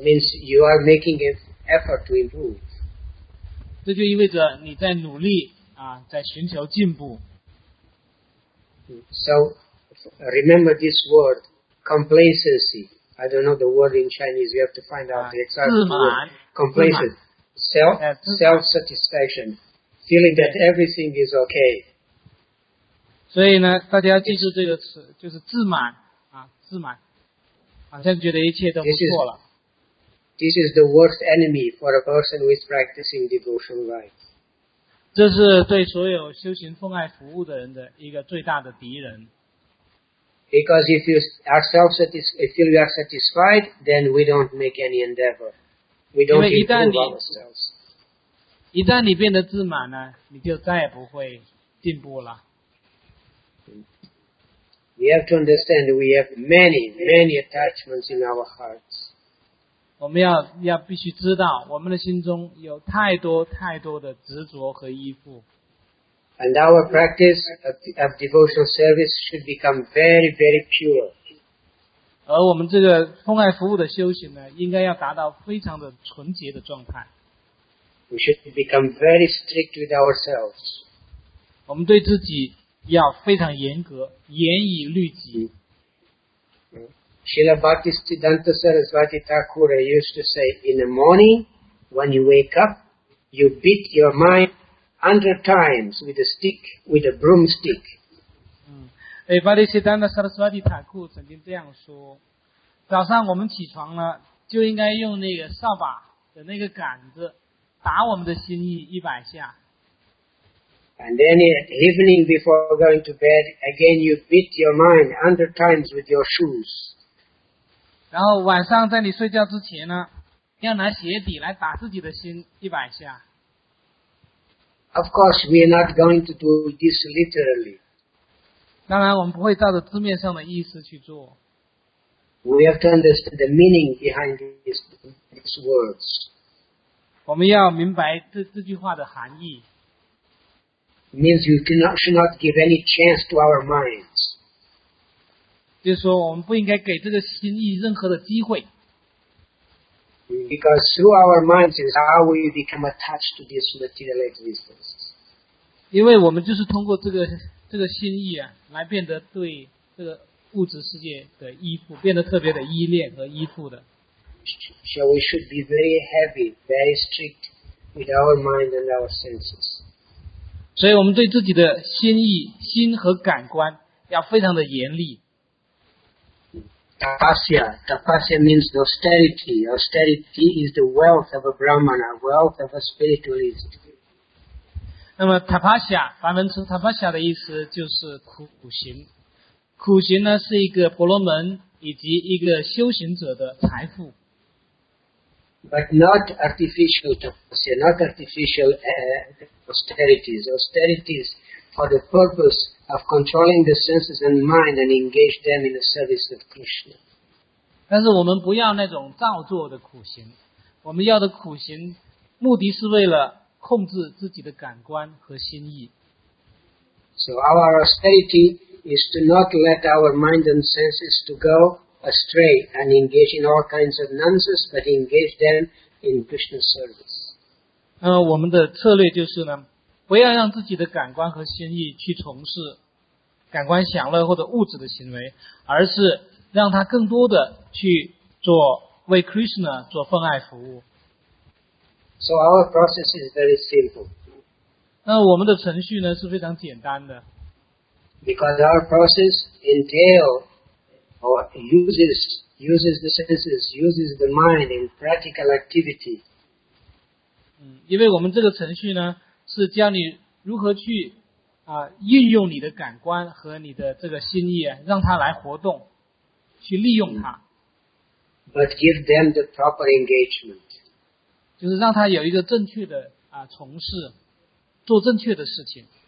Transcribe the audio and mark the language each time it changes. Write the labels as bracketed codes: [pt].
[en] means you are making an effort to improve. [zh] 这就意味着你在努力，在寻求进步。So [en] remember this word, complacency. I don't know the word in Chinese. You have to find out the exact word. Complacent. self-satisfaction, feeling that everything is okay. [zh] 所以呢，大家记住这个词，就是自满啊，自满，好像觉得一切都不错了。 [en] This is the worst enemy for a person who is practicing devotional rites. [zh] 这是对所有修行奉爱服务的人的一个最大的敌人。 [en] Because if you are satisfied, then we don't make any endeavor. We don't improve ourselves. [zh] 一旦你变得自满呢，你就再也不会进步了。 [en] We have to understand that we have many, many attachments in our hearts. [zh] 我们要必须知道，我们的心中有太多太多的执着和依附。 [en] And our practice of devotional service should become very, very pure. [zh] 而我们这个奉爱服务的修行呢，应该要达到非常的纯洁的状态。 [en] We should become very strict with ourselves. [zh] 我们对自己要非常严格，严以律己。 [en] Srila Bhaktisiddhanta Saraswati Thakur used to say, in the morning, when you wake up, you beat your mind 100 times with a stick, with a broomstick. [zh] Bhaktisiddhanta Saraswati Thakur 曾经这样说，早上我们起床了，就应该用那个扫把的那个杆子，打我们的心意100下。 [en] And then at evening before going to bed, again you beat your mind 100 times with your shoes. [zh] 然后晚上在你睡觉之前呢，要拿鞋底来打自己的心100下。 [en] Of course, we are not going to do this literally. [zh] 当然我们不会照着字面上的意思去做。 [en] We have to understand the meaning behind these words. [zh] 我们要明白这句话的含义。 [en] Means you cannot, should not give any chance to our minds. [zh] 就是说我们不应该给这个心意任何的机会。 [en] Because through our minds is how we become attached to this material existence. [zh] 因为我们就是通过这个心意啊，来变得对这个物质世界的依附，变得特别的依恋和依附的。 [en] So we should be very heavy, very strict with our mind and our senses. [zh] 所以我们对自己的心意、心和感官要非常的严厉。 [en] Tapasya means austerity. Austerity is the wealth of a Brahmana, wealth of a spiritualist. [zh] 那么 Tapasya, 梵文词 Tapasya 的意思就是苦行。苦行呢是一个婆罗门以及一个修行者的财富。 [en] But not artificial tapasya, not artificial austerities. Austerities for the purpose of controlling the senses and mind and engage them in the service of Krishna. [zh] 但是我们不要那种造作的苦行，我们要的苦行目的是为了控制自己的感官和心意。 [en] So our austerity is to not let our mind and senses to go. Astray and engage in all kinds of nonsense, but engage them in Krishna's service. [zh] 我们的策略就是呢，不要让自己的感官和心意去从事感官享乐或者物质的行为，而是让它更多的去做为 Krishna 做奉爱服务。 [en] So our process is very simple. [zh] 我们的程序呢是非常简单的。 [en] Because our process entails. Or uses the senses, uses the mind in practical activity. [zh] 因为我们这个程序呢，是教你如何去运用你的感官和你的这个心意，让它来活动，去利用它。 [en] But give them the proper engagement. [zh] 就是让它有一个正确的从事，做正确的事情。